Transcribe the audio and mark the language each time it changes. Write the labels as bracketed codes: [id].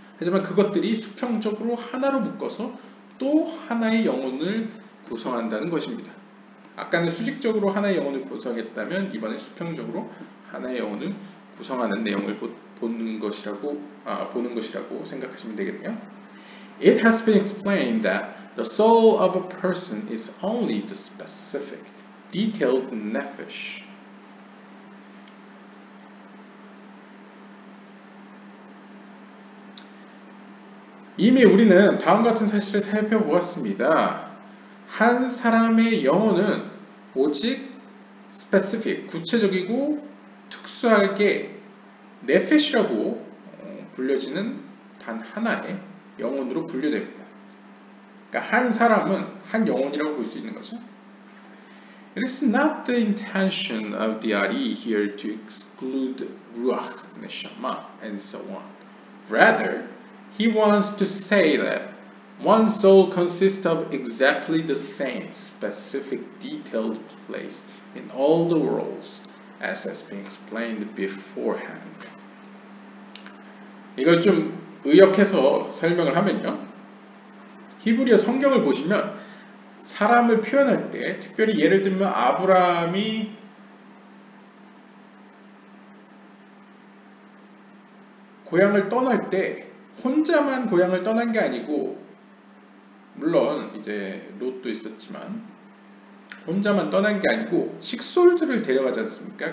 [ko] 하지만 그것들이 수평적으로 하나로 묶어서 또 하나의 영혼을 구성한다는 것입니다. 아까는 수직적으로 하나의 영혼을 구성했다면 이번에 수평적으로 하나의 영혼을 구성하는 내용을 보는 것이라고 생각하시면 되겠네요. [en] It has been explained that the soul of a person is only the specific, detailed nefesh. [ko] 이미 우리는 다음 같은 사실을 살펴보았습니다. 한 사람의 영혼은 오직 specific, 구체적이고 특수하게 nefesh라고 불려지는 단 하나의 영혼으로 분류됩니다. 그러니까 한 사람은 한 영혼이라고 볼 수 있는 거죠. [en] It is not the intention of the Ari here to exclude ruach, neshama, and so on. Rather, He wants to say that one soul consists of exactly the same specific detailed place in all the worlds as has been explained beforehand. [ko] 이걸 좀 의역해서 설명을 하면요. 히브리어 성경을 보시면 사람을 표현할 때 특별히 예를 들면 아브라함이 고향을 떠날 때 혼자만 고향을 떠난 게 아니고 물론 이제 롯도 있었지만 혼자만 떠난 게 아니고 식솔들을 데려가지 않습니까?